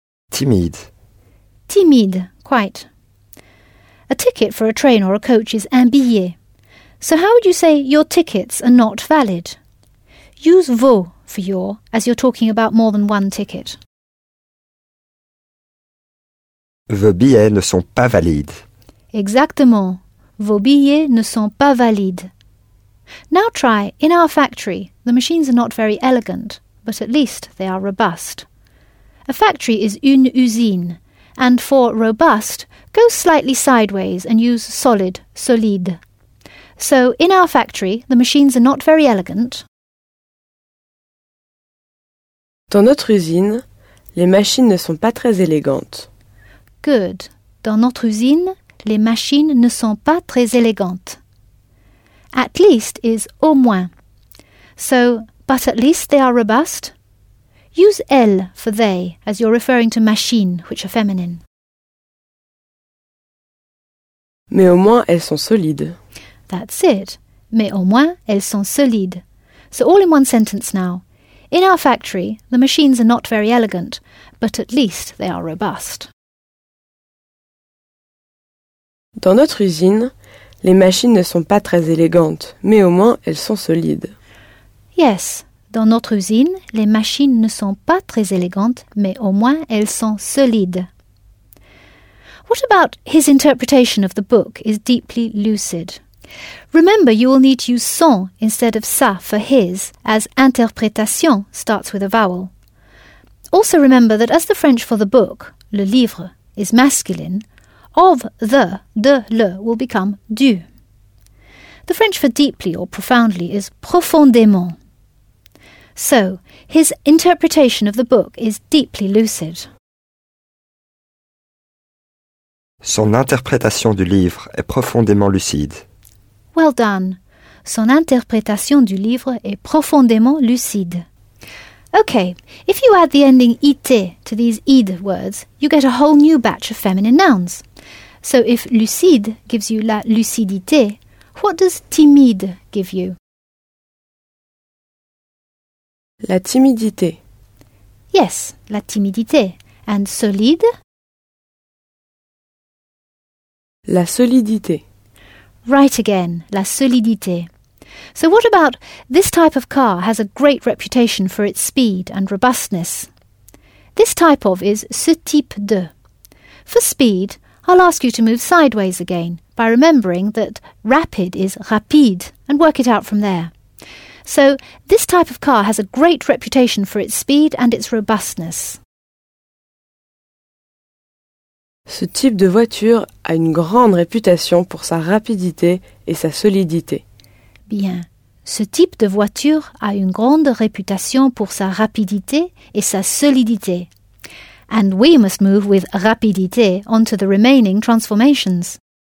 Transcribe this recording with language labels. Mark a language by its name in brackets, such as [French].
[English] Timid. Timid, quite. A ticket for a train or a coach is un billet. So how would you say your tickets are not valid? Use vos for your, as you're talking about more than one ticket. [French] Vos billets ne sont pas valides. Exactement. Vos billets ne sont pas valides. [English] Now try, in our factory, the machines are not very elegant, but at least they are robust. A factory is une usine, and for robust, go slightly sideways and use solid, solide. So, in our factory, the machines are not very elegant. [French] Dans notre usine, les machines ne sont pas très élégantes. [English] Good. [French] Dans notre usine, les machines ne sont pas très élégantes. [English] At least is au moins. So, but at least they are robust. Use elles for they, as you're referring to machines, which are feminine. [French] Mais au moins elles sont solides. [English] That's it. [French] Mais au moins elles sont solides. [English] So all in one sentence now. In our factory, the machines are not very elegant, but at least they are robust. [French] Dans notre usine, les machines ne sont pas très élégantes, mais au moins elles sont solides. Yes, dans notre usine, les machines ne sont pas très élégantes, mais au moins elles sont solides. [English] What about his interpretation of the book is deeply lucid? Remember, you will need to use son instead of ça for his, as interprétation starts with a vowel. Also remember that as the French for the book, le livre, is masculine, of the, de le, will become du. The French for deeply or profoundly is profondément. So, his interpretation of the book is deeply lucid. [French] Son interprétation du livre est profondément lucide. [English] Well done. [French] Son interprétation du livre est profondément lucide. [English] Okay, if you add the ending ite to these id words, you get a whole new batch of feminine nouns. So if lucide gives you la lucidité, what does timide give you? [French] La timidité. [English] Yes, la timidité. And solide? [French] La solidité. [English] Right again, la solidité. So what about this type of car has a great reputation for its speed and robustness? This type of is ce type de. For speed, I'll ask you to move sideways again by remembering that rapid is rapide and work it out from there. So, this type of car has a great reputation for its speed and its robustness. [French] Ce type de voiture a une grande réputation pour sa rapidité et sa solidité. Bien. Ce type de voiture a une grande réputation pour sa rapidité et sa solidité. [English] And we must move with rapidité onto the remaining transformations.